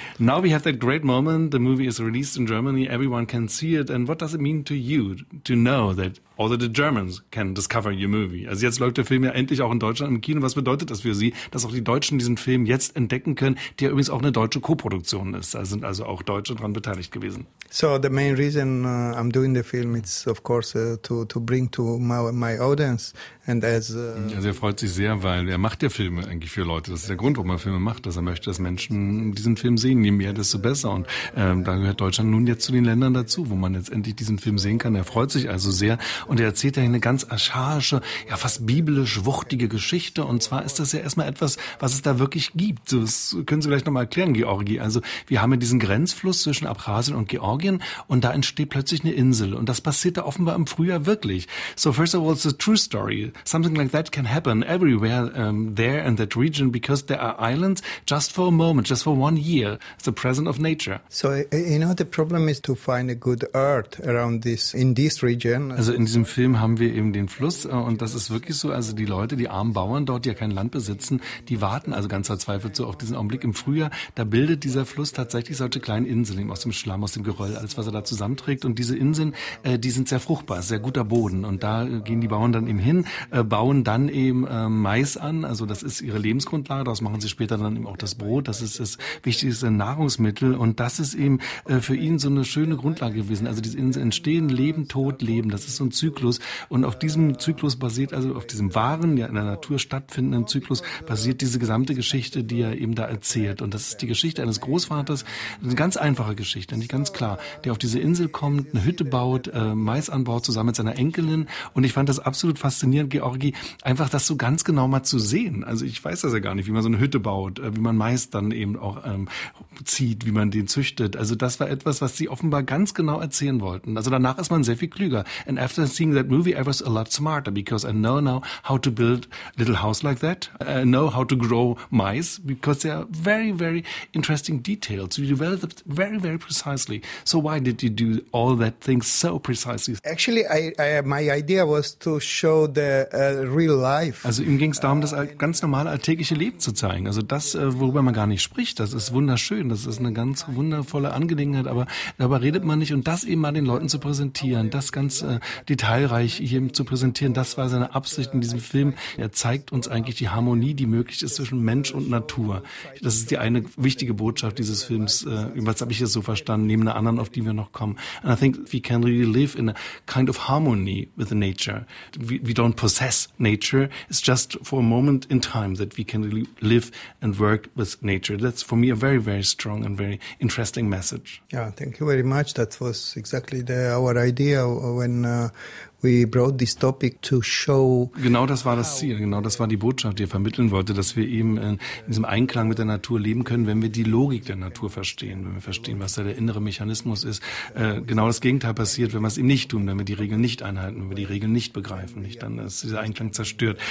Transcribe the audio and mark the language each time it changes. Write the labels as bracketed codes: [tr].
[en] Now we have that great moment. The movie is released in Germany. Everyone can see it. And what does it mean to you to know that Also the Germans can discover your movie. [de] Also jetzt läuft der Film ja endlich auch in Deutschland im Kino. Was bedeutet das für Sie, dass auch die Deutschen diesen Film jetzt entdecken können, der ja übrigens auch eine deutsche Koproduktion ist? Da sind also auch Deutsche dran beteiligt gewesen. [en] So the main reason I'm doing the film is of course to bring to my audience. And as, [de] also er freut sich sehr, weil er macht ja Filme eigentlich für Leute. Das ist der Grund, warum er Filme macht, dass er möchte, dass Menschen diesen Film sehen. Je mehr, desto besser. Und da gehört Deutschland nun jetzt zu den Ländern dazu, wo man jetzt endlich diesen Film sehen kann. Er freut sich also sehr und er erzählt ja eine ganz archaische, ja fast biblisch wuchtige Geschichte. Und zwar ist das ja erstmal etwas, was es da wirklich gibt. Das können Sie vielleicht nochmal erklären, Georgi. Also wir haben ja diesen Grenzfluss zwischen Abchasien und Georgien und da entsteht plötzlich eine Insel. Und das passiert da offenbar im Frühjahr wirklich. [en] So first of all, it's a true story. Something like that can happen everywhere there in that region because there are islands just for a moment, just for 1 year. It's a present of nature. So, you know, the problem is to find a good earth around this, in this region. [de] Also in diesem Film haben wir eben den Fluss und das ist wirklich so. Also die Leute, die armen Bauern dort, die ja kein Land besitzen, die warten also ganz verzweifelt so auf diesen Augenblick. Im Frühjahr, da bildet dieser Fluss tatsächlich solche kleinen Inseln aus dem Schlamm, aus dem Geröll, alles was er da zusammenträgt. Und diese Inseln, die sind sehr fruchtbar, sehr guter Boden. Und da gehen die Bauern dann eben hin. Bauen dann eben Mais an, also das ist ihre Lebensgrundlage, daraus machen sie später dann eben auch das Brot, das ist das wichtigste Nahrungsmittel und das ist eben für ihn so eine schöne Grundlage gewesen. Also diese Inseln entstehen, Leben, Tod, Leben, das ist so ein Zyklus und auf diesem Zyklus basiert, also auf diesem wahren, ja in der Natur stattfindenden Zyklus, basiert diese gesamte Geschichte, die er eben da erzählt und das ist die Geschichte eines Großvaters, eine ganz einfache Geschichte, nicht ganz klar, der auf diese Insel kommt, eine Hütte baut, Mais anbaut, zusammen mit seiner Enkelin und ich fand das absolut faszinierend, Georgi, einfach das so ganz genau mal zu sehen. Also ich weiß das ja gar nicht, wie man so eine Hütte baut, wie man Mais dann eben auch zieht, wie man den züchtet. Also das war etwas, was sie offenbar ganz genau erzählen wollten. Also danach ist man sehr viel klüger. [en] And after seeing that movie, I was a lot smarter, because I know now how to build a little house like that. I know how to grow mice, because they are very, very interesting details. You developed very, very precisely. So why did you do all that thing so precisely? Actually, my idea was to show real life. [de] Also ihm ging es darum, das ganz normale alltägliche Leben zu zeigen. Also das, worüber man gar nicht spricht, das ist wunderschön, das ist eine ganz wundervolle Angelegenheit, aber darüber redet man nicht. Und das eben mal den Leuten zu präsentieren, das ganz detailreich hier zu präsentieren, das war seine Absicht in diesem Film. Er zeigt uns eigentlich die Harmonie, die möglich ist zwischen Mensch und Natur. Das ist die eine wichtige Botschaft dieses Films, was habe ich jetzt so verstanden, neben der anderen, auf die wir noch kommen. [en] And I think we can really live in a kind of harmony with the nature. We don't possess nature. It's just for a moment in time that we can really live and work with nature. That's for me a very, very strong and very interesting message. Yeah, thank you very much. That was exactly our idea when we brought this topic to show. [de] Genau das war das Ziel, genau das war die Botschaft, die er vermitteln wollte, dass wir eben in diesem Einklang mit der Natur leben können, wenn wir die Logik der Natur verstehen, wenn wir verstehen, was da der innere Mechanismus ist. Genau das Gegenteil passiert, wenn wir es eben nicht tun, wenn wir die Regeln nicht einhalten, wenn wir die Regeln nicht begreifen, nicht, dann ist dieser Einklang zerstört.